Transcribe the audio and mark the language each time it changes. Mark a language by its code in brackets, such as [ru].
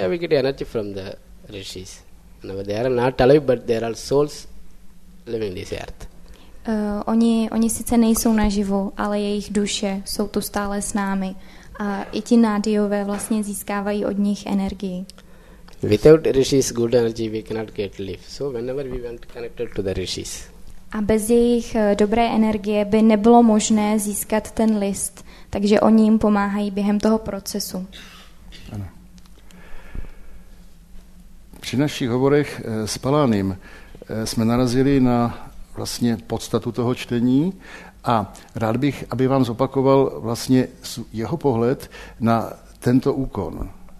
[en] Yeah, we get energy from the rishis. No, they are not alive, but they are souls living this earth. [cs] Oni sice nejsou naživu, ale jejich duše jsou tu stále s námi. A i ti nádiové vlastně získávají od nich energii. [en] Without rishis, good energy, we cannot get live. So whenever we went connected to the rishis. [cs] A bez jejich dobré energie by nebylo možné získat ten list, takže oni jim pomáhají během toho procesu. Ano. Při našich hovorech s Palánym jsme narazili na vlastně podstatu toho čtení a rád bych, aby vám zopakoval vlastně jeho pohled na tento úkon.